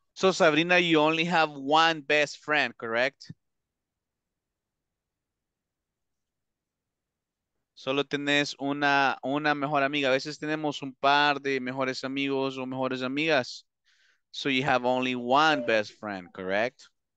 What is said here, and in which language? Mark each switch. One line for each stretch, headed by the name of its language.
English: So, Sabrina, you only have one best friend, correct?
Spanish: Solo tenés una mejor amiga. A veces tenemos un par de mejores amigos o mejores amigas.
English: So, you have only one best friend, correct?